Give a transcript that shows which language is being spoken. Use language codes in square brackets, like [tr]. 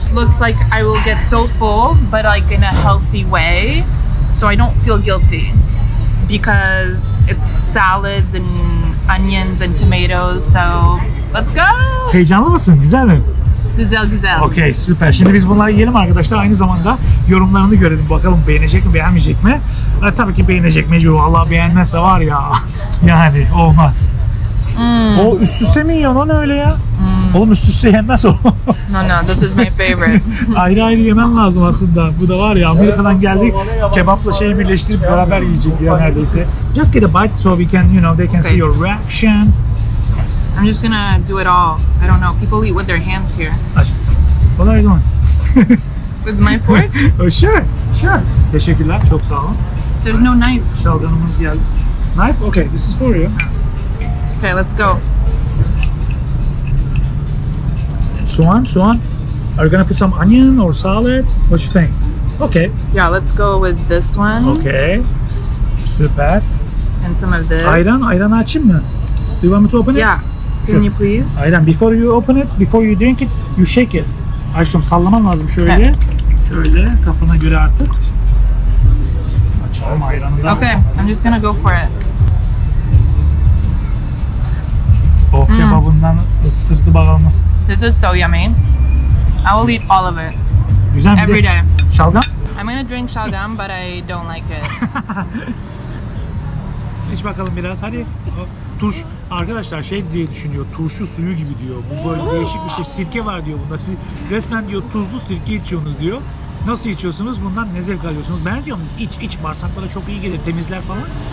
[en] Looks like I will get so full, but like in a healthy way, so I don't feel guilty because it's salads and onions and tomatoes. So let's go. [tr] Heyecanlı mısın? Güzel mi? Güzel, güzel. Okay, süper. Şimdi biz bunları yiyelim arkadaşlar. Aynı zamanda yorumlarını görelim. Bakalım beğenecek mi, beğenmeyecek mi? Tabii ki beğenecek mecbur. Allah beğenmezse var ya, yani olmaz. Mm. O üst üste mi yiyorsun? O ne öyle ya? Mm. Oğlum üst üste yenmez o. [en] No no, this is my favorite. [tr] Ayrı ayrı yemen lazım aslında. Bu da var ya, Amerika'dan geldik. Kebapla şeyi birleştirip beraber yiyecek ya neredeyse. [en] Just get a bite so we can, you know, they can okay. See your reaction. I'm just gonna do it all. I don't know. People eat with their hands here. What are you doing? With my fork? Oh, sure, sure. [tr] Teşekkürler, çok sağ olun. [en] There's no knife. [tr] Şalganımız geldi. [en] Knife? Okay, this is for you. Okay, let's go. [tr] Soğan, soğan. [en] Are you gonna put some onion or salad? What you think? Okay. Yeah, let's go with this one. [tr] Okay. Süper. [en] And some of this. Ayran, [tr] ayran açayım mı? [en] Do you want me to open it? Yeah. Can sure. You please? Ayran, before you open it, before you drink it, you shake it. [tr] Açtım, sallaman lazım şöyle. Okay. Şöyle, kafana göre artık. Açalım ayranı da. [en] Okay, I'm just gonna go for it. [tr] Oh, kebabından ısırdı bakalım nasıl. [en] This is so yummy. I will eat all of it. [tr] Güzel [en] every Day. [tr] Şalgam? [en] I'm gonna drink şalgam, but I don't like it. [tr] İç bakalım biraz, hadi. Turş. Arkadaşlar şey diye düşünüyor, turşu suyu gibi diyor. Bu böyle değişik bir şey. Sirke var diyor bunda. Siz resmen diyor tuzlu sirke içiyorsunuz diyor. Nasıl içiyorsunuz? Bundan ne zevk alıyorsunuz? Ben diyorum iç iç, bağırsaklara çok iyi gelir, temizler falan.